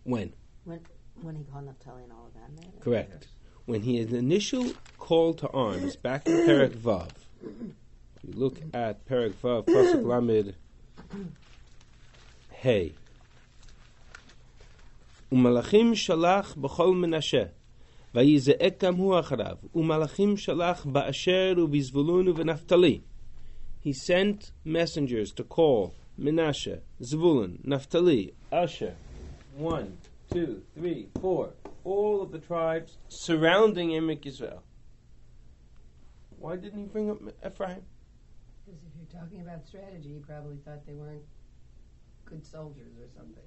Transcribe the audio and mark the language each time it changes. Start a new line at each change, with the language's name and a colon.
English: When he called Naphtali and all of that, maybe? Correct. Yes. When he had an initial call to arms, back in Perek Vav, you look at Perek Vav, Pasuk Lamed, Hey.
Hebrew: Umalachim shalach b'chol menashe, ויזעק גם הוא אחריו, ומלאכים שלח באשר ובזבולון ובנפתלי.
English: He sent messengers to call Menashe, Zebulun, Naphtali, Asher, 1, 2, 3, 4, all of the tribes surrounding Emek Yisrael. Why didn't he bring up Ephraim? Because if you're talking about strategy, you probably thought they weren't good soldiers or something.